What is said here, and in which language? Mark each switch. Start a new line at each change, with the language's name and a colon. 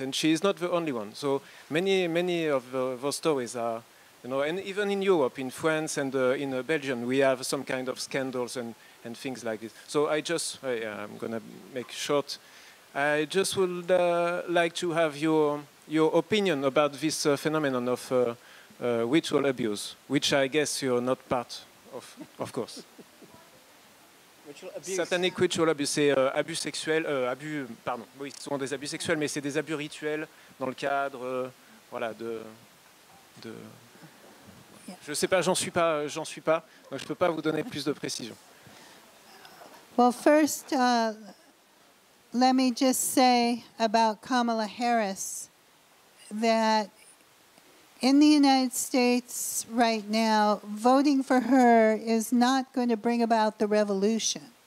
English: And she is not the only one. So many, many of those stories are, you know, and even in Europe, in France and in Belgium, we have some kind of scandals and things like this. So I just, I'm going to make short. I just would like to have your opinion about this phenomenon of ritual abuse, which I guess you're not part of course. Satanic ritual abuse,
French: c'est abus sexuel, abus, pardon, oui, ce sont des abus sexuels, mais c'est des abus rituels dans le cadre, voilà, de... Je ne sais pas, j'en suis pas, donc je ne peux pas vous donner plus de précisions.
English: Well, first, let me just say about Kamala Harris that in the United States right now, voting for her is not going to bring about the revolution.